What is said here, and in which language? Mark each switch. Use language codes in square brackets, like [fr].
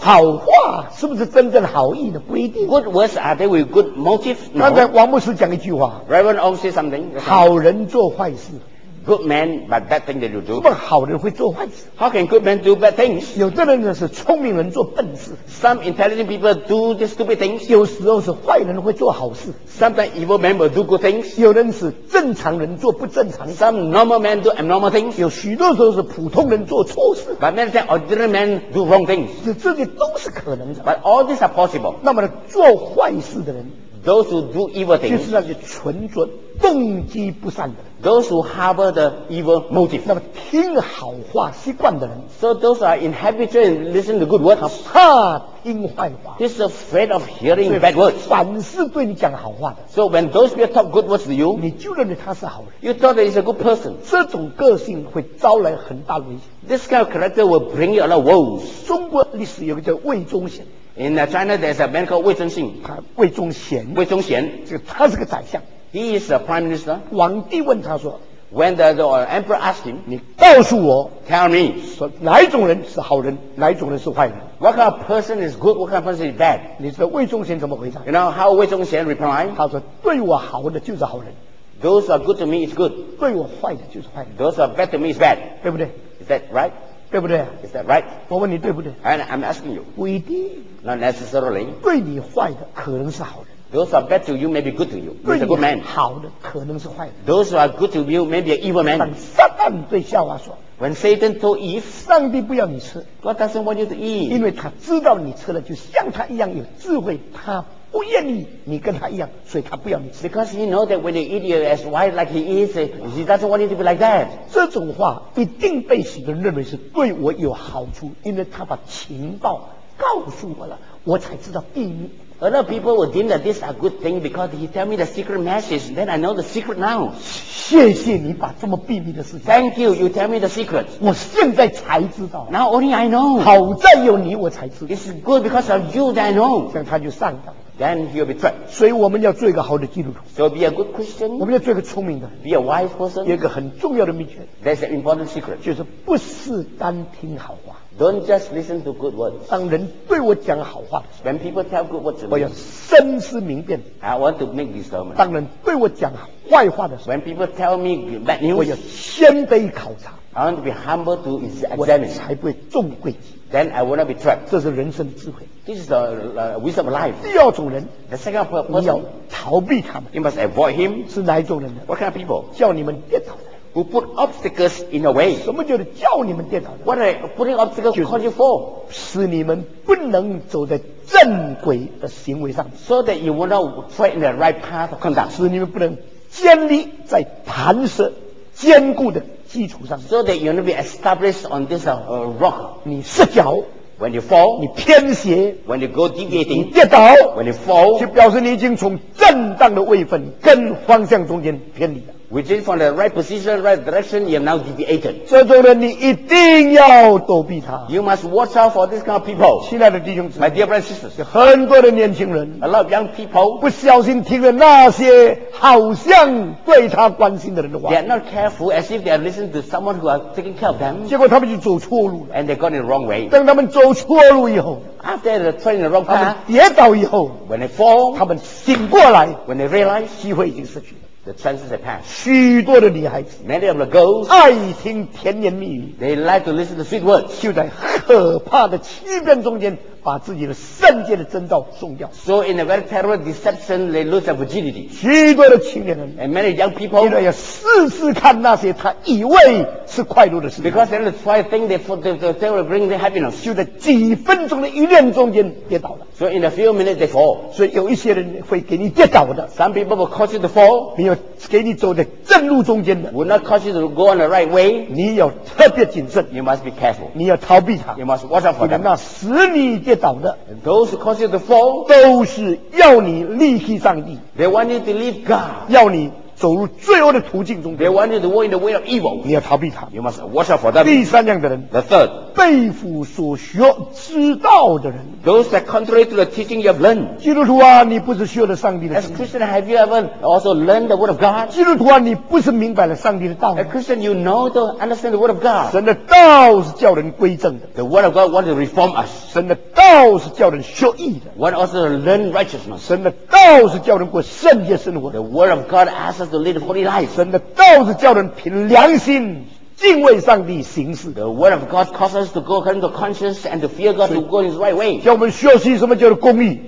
[zh] 好话是不是真正好意的不一定。 [en] Good words are they with good motive? No. [zh] 刚才王牧师讲一句话。 [en] Reverend Ong said something. [zh] 好人做坏事。 [en] Good man but bad thing that you do. [zh] 什么好人会做坏事？ [en] How can good man do bad things? [zh] 有的人是聪明人做笨事。 [en] Some intelligent people do the stupid things. [zh] 有时候是坏人会做好事。 [en] Sometimes evil men will do good things. [zh] 有人是正常人做不正常。 [en] Some normal men do abnormal things. [zh] 有许多时候是普通人做错事。 [en] But many times ordinary men do wrong things. [zh] 这些都是可能的。 [en] But all these are possible. [zh] 那么做坏事的人。 [en] Those who do evil things. [zh] 就是那些蠢蠢动机不善的人。 [en] Those who harbor the evil motive. [zh] 那么听好话习惯的人。 [en] So those are in habit to listen to good words. [zh] 怕听坏话。 [en] This is afraid of hearing bad words. [zh] 凡是对你讲好话的。 [en] So when those people talk good words to you. [zh] 你就认为他是好人。 [en] You thought that he's a good person. [zh] 这种个性会招来很大危险。 [en] This kind of character will bring you a lot of woes. [zh] 中国历史有个叫魏忠贤。 [en] In China, there's a man called 魏忠信。 [zh] 他魏忠贤。魏忠贤。这个他是个宰相。 [en] He is a prime minister. [zh] 皇帝问他说 [en] When the emperor asked him, [zh] 你告诉我 [en] ，Tell me， [zh] 说哪一种人是好人，哪一种人是坏人 [en] ？What kind of person is good? What kind of person is bad? [zh] 你知道魏忠贤怎么回答 [en] ？You know how 魏忠贤 replied? [zh] 他说对我好的就是好人 [en] ，Those are good to me is good。 [zh] 对我坏的就是坏人 [en] ，Those are bad to me is bad。 [zh] 对不对 [en] ？Is that right？ [zh] 对不对 [en] ？Is that right？ [zh] 我问你对不对 [en] ？And I'm asking you。 [zh] 不一定。 [en] Not necessarily。 [zh] 对你坏的可能是好人。 [en] Those are bad to you, maybe good to you. He's a good man. [zh] 好的可能是坏的。 [en] Those who are good to you, maybe an evil man. [zh] 但撒旦对夏娃说 [en] ，When Satan told Eve, [zh] 上帝不要你吃。 [en] God doesn't want you to eat. [zh] 因为他知道你吃了就像他一样有智慧，他不愿意你跟他一样，所以他不要你吃。 [en] Because he knows that when you eat, you're as wise like he is. He doesn't want you to be like that. [zh] 这种话一定被许多人认为是对我有好处，因为他把情报告诉我了，我才知道秘密。 [en] A lot of people would think that this is a good thing because he tell me the secret message. Then I know the secret now. [zh] 谢谢你把这么秘密的事情。 [en] Thank you. You tell me the secret. [zh] 我现在才知道。 [en] Now only I know. [zh] 好在有你我才知道。 [en] It's good because of you that I know. [zh] 这样他就上当。 [en] Then he will be trapped. [zh] 所以我们要做一个好的基督徒。 [en] So be a good Christian. [zh] 我们要做一个聪明的。 [en] Be a wise person. [zh] 有一个很重要的秘诀。 [en] That's an important secret. [zh] 就是不是单听好话。 [en] Don't just listen to good words. [zh] 当人对我讲好话 [en] ，When people tell good words to me, [zh] 我要深思明辨。 [en] I want to make discernment. [zh] 当人对我讲坏话的时候 [en] ，When people tell me bad news, [zh] 我要谦卑考察。 [en] I want to be humble to examine. [zh] 我才不会中诡计。 [en] Then I will not be trapped. [zh] 这是人生的智慧。 [en] This is the wisdom of life. [zh] 第二种人 [en] ，The second person, [zh] 你要逃避他们。 [en] You must avoid him. [zh] 是哪一种人呢 [en] ？What kind of people? [zh] 叫你们跌倒。 [en] Who put obstacles in the way? [zh] 什么就是叫你们跌倒的 [en] ？What are putting obstacles cause you for? [zh] 使你们不能走在正轨的行为上。 [en] So that you will not tread in the right path of conduct. [zh] 使你们不能建立在磐石坚固的基础上。 [en] So that you will not be established on this rock. [zh] 你失脚。 [en] When you fall, [zh] 你偏斜 [en] ；When you go deviating, [zh] 你跌倒 [en] ；When you fall, [zh] 就表示你已经从正当的位分跟方向中间偏离了。 [en] Which is from the right position, right direction, you have now deviated. [zh] 这种人你一定要躲避他。 [en] You must watch out for this kind of people. [zh] 亲爱的弟兄姊妹 [en] ，My dear brothers and sisters, [zh] 很多的年轻人 [en] ，a lot of young people, [zh] 不小心听了那些好像对他关心的人的话 [en] ，They are not careful as if they are listening to someone who are taking care of them. [zh] 结果他们就走错路了 [en] ，and they got in the wrong way. [zh] 等他们走错路以后 [en] ，after they tread in the wrong path, [zh] 他们跌倒以后 [en] ，when they fall, [zh] 他们醒过来 [en] ，when they realize, [zh] 机会已经失去了。 [en] The chances have passed. [zh] 许多的女孩子 [en] ，many of the girls， [zh] 爱听甜言蜜语 [en] ，they like to listen to sweet words， [zh] 就在可怕的欺骗中间，把自己的圣洁的真道送掉。 [en] So in a very terrible deception, they lose their virginity. [zh] 许多的青年人 [en] ，and many young people， [zh] 因为要试试看那些他以为是快乐的事 [en] ，because they're trying to think they will bring the happiness， [zh] 就在几分钟的一念中间跌倒了。 [en] So in a few minutes they fall. [zh] 所以有一些人会给你跌倒的。 [en] Some people will cause you to fall. [zh] 没有给你走在正路中间的。 [en] Will not cause you to go on the right way. [zh] 你要特别谨慎。 [en] You must be careful. [zh] 你要逃避他。 [en] You must watch out for them. [zh] 那使你跌倒的。 [en] And those who cause you to fall. [zh] 都是要你离弃上帝。 [en] They want you to leave God. [zh] 要你走入罪恶的途径中间。 [en] They want you to walk in the way of evil. [zh] 你要逃避他。 [en] You must watch out for them. [zh] 第三样的人。 [en] The third. [zh] 背负所学知道的人。 [en] Those that contrary to the teaching you have learned. [zh] 基督徒啊，你不是学了上帝的。 [en] As Christian, have you ever also learned the word of God? [zh] 基督徒啊，你不是明白了上帝的道。 [en] As Christian, you know to understand the word of God. [zh] 神的道是叫人归正的。 [en] The word of God wants to reform us. [zh] 神的道是叫人学义的。 [en] Wants also to learn righteousness. [zh] 神的道是叫人过圣洁生活。 [en] The word of God asks us to lead a holy life. [zh] 神的道是叫人凭良心。敬畏上帝行事 [en] The word of God causes us to go according to conscience and to fear God to go in His right way. [zh] 叫我们学习什么叫做公义